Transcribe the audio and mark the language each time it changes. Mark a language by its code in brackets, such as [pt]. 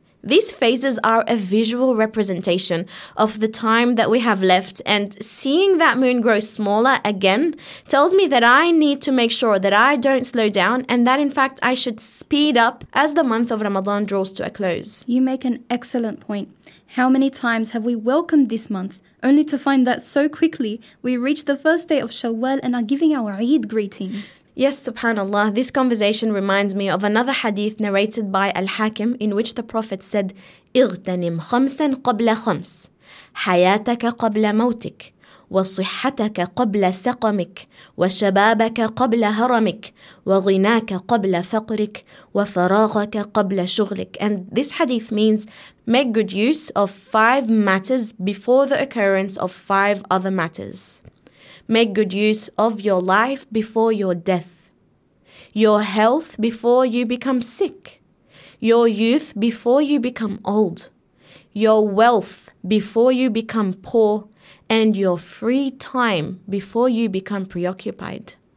[en] These phases are a visual representation of the time that we have left, and seeing that moon grow smaller again tells me that I need to make sure that I don't slow down and that in fact I should speed up as the month of Ramadan draws to a close. You make an excellent point. How many times have we welcomed this month only to find that so quickly we reach the first day of Shawwal and are giving our Eid greetings? Yes, subhanallah, this conversation reminds me of another hadith narrated by Al-Hakim in which the Prophet said, [ar] اغتنم خمسا قبل خمس حياتك قبل موتك وصحتك قبل سقمك وشبابك قبل هرمك وغناك قبل فقرك وفراغك قبل شغلك. [en] And this hadith means, make good use of five matters before the occurrence of five other matters. Make good use of your life before your death, your health before you become sick, your youth before you become old, your wealth before you become poor, and your free time before you become preoccupied.